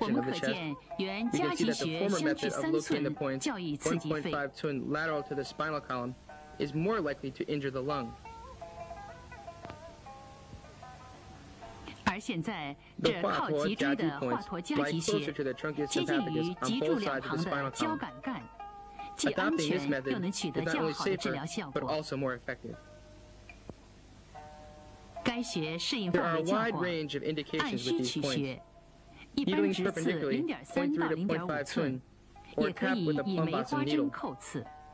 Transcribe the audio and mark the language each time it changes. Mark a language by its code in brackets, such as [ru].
[zh] 我们可见原夹脊穴相距三寸，较易刺激肺。 [en] 1.5 寸 lateral to the spinal column is more likely to injure the lung. [zh] 而现在，这靠脊椎的华佗夹脊穴接近于脊柱两旁的交感干，既安全又能取得较好的治疗效果。该穴适应范围较广，按需取穴，一般直刺 0.3 到 0.5 寸，也可以以梅花针叩刺。